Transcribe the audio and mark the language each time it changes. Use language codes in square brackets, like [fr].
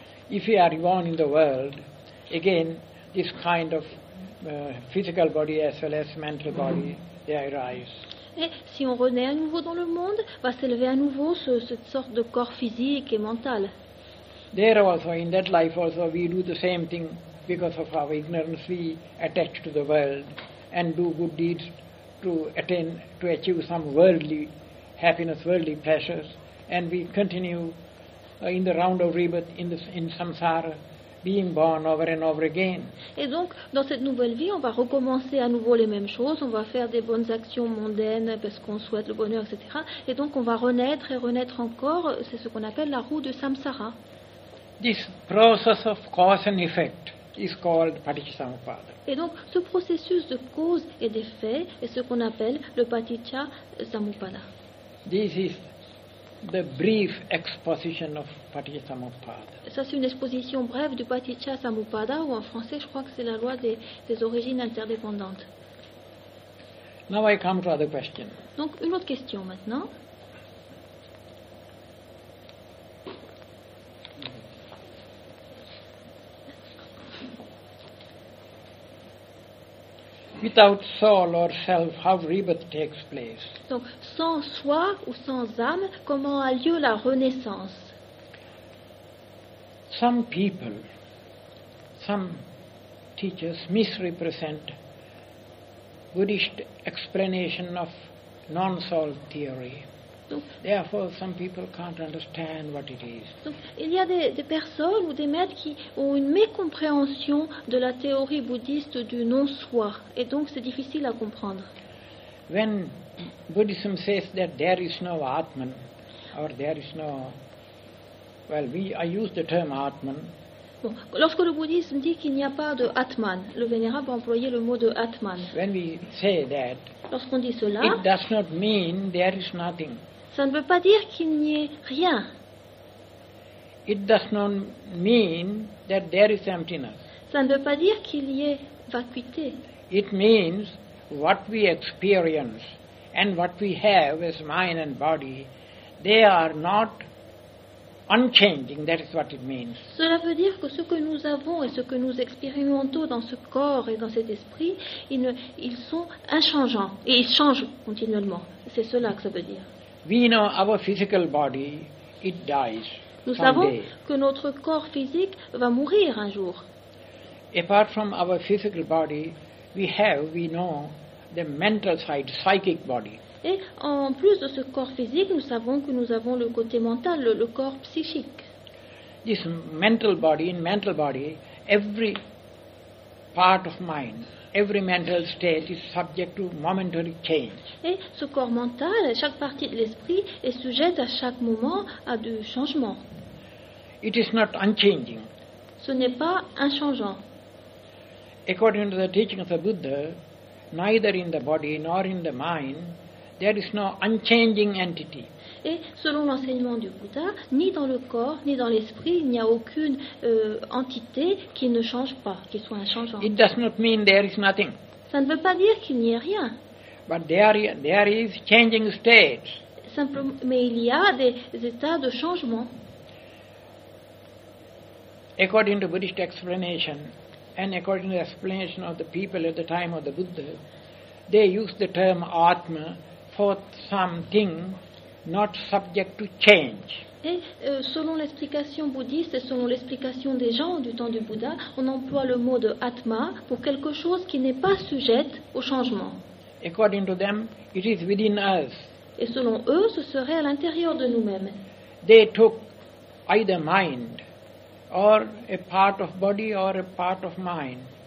[en] If we are reborn in the world, again this kind of physical body as well as mental body they arise. [fr] Et si on renaît à nouveau dans le monde, va s'élever à nouveau cette sorte de corps physique et mental. [en] There also in that life also we do the same thing because of our ignorance we attach to the world and do good deeds to attain to achieve some worldly happiness, worldly pleasures, and we continue in the round of rebirth in samsara, being born over and over again. [fr] Et donc, dans cette nouvelle vie, on va recommencer à nouveau les mêmes choses. On va faire des bonnes actions mondaines parce qu'on souhaite le bonheur, etc. Et donc, on va renaître et renaître encore. C'est ce qu'on appelle la roue de samsara. [en] This process of cause and effect is called paticca-samuppada. [fr] Et donc, ce processus de cause et d'effet est ce qu'on appelle le paticca-samuppada. [en] This is the brief exposition of paticca-samuppada. [fr] Ça c'est une exposition brève du paticca-samuppada, ou en français, je crois que c'est la loi des origines interdépendantes. [en] Now I come to other question. [fr] Donc une autre question maintenant. [en] Without soul or self, how rebirth takes place? [fr] Donc, sans soi ou sans âme, comment a lieu la renaissance? [en] Some people, some teachers misrepresent Buddhist explanation of non-soul theory. Therefore, some people can't understand what it is. [fr] Donc, il y a des personnes ou des maîtres qui ont une mécompréhension de la théorie bouddhiste du non-soi, et donc c'est difficile à comprendre. [en] When Buddhism says that there is no Atman, or there is no, well, I use the term Atman. [fr] Bon, lorsque le bouddhisme dit qu'il n'y a pas de Atman, le vénérable a employé le mot de Atman. [en] When we say that, [fr] lorsqu'on dit cela, [en] it does not mean there is nothing. [fr] Ça ne veut pas dire qu'il n'y ait rien. [en] It does not mean that there is emptiness. [fr] Ça ne veut pas dire qu'il y ait vacuité. [en] It means what we experience and what we have as mind and body, they are not unchanging. That is what it means. [fr] Cela veut dire que ce que nous avons et ce que nous expérimentons dans ce corps et dans cet esprit, ils sont inchangeants et ils changent continuellement. C'est cela que ça veut dire. [en] We know our physical body, it dies someday. [fr] Nous savons que notre corps physique va mourir un jour. [en] Apart from our physical body, we know the mental side, psychic body. [fr] Et en plus de ce corps physique, nous savons que nous avons le côté mental, le corps psychique. [en] This mental body, in mental body, every part of mind, every mental state is subject to momentary change. [fr] Et ce corps mental, chaque partie de l'esprit est sujette à chaque moment à du changement. [en] It is not unchanging. [fr] Ce n'est pas inchangeant. [en] According to the teaching of the Buddha, neither in the body nor in the mind, there is no unchanging entity. [fr] Et selon l'enseignement du Bouddha, ni dans le corps, ni dans l'esprit, il n'y a aucune entité qui ne change pas, qui soit inchangeante. [en] It does not mean there is nothing. [fr] Ça ne veut pas dire qu'il n'y ait rien. [en] But there is changing states. [fr] Mais il y a des états de changement. [en] According to Buddhist explanation, and according to the explanation of the people at the time of the Buddha, they used the term Atma for something not subject to change. [fr] Et selon l'explication bouddhiste et selon l'explication des gens du temps du Bouddha, on emploie le mot de Atma pour quelque chose qui n'est pas sujette au changement. [en] According to them, it is within us. [fr] Et selon eux, ce serait à l'intérieur de nous-mêmes. [en] They took either mind or a part of body or a part of mind.